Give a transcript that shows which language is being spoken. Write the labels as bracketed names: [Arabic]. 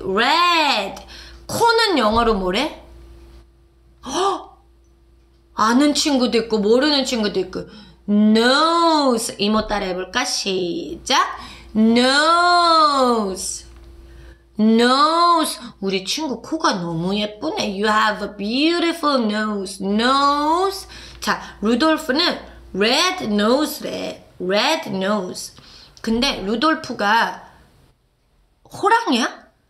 [Korean] Red. 코는 영어로 뭐래? 허! 아는 친구도 있고 모르는 친구도 있고 nose. 이모 따라 해볼까? 시작. [English] Nose. Nose. [Korean] 우리 친구 코가 너무 예쁘네. [English] You have a beautiful nose. Nose. [Korean] 자, 루돌프는 red nose래. [English] Red nose. [Korean] 근데 루돌프가 호랑이야?